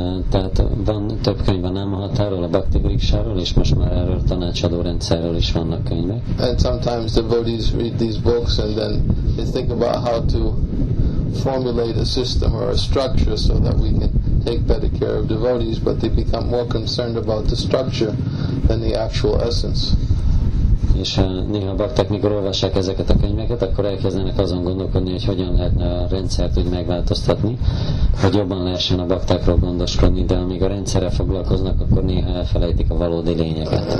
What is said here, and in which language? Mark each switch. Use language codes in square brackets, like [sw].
[hu] Tehát van több könyv a Namhatáról, a Bhakti Vriksáról, és most már erről a tanácsadó rendszerről is vannak könyvek. [en] And sometimes devotees read these books and then they think about how to formulate a system or a structure so that we can take better care of devotees, but they become more concerned about the structure than the actual essence. [hu] És néha bakták, mikor olvassák ezeket a könyveket, akkor elkezdenek azon gondolkodni, hogy hogyan lehetne a rendszert úgy megváltoztatni, hogy jobban lehessen a baktákról gondoskodni, de amíg a rendszerrel foglalkoznak, akkor néha elfelejtik a valódi lényeget.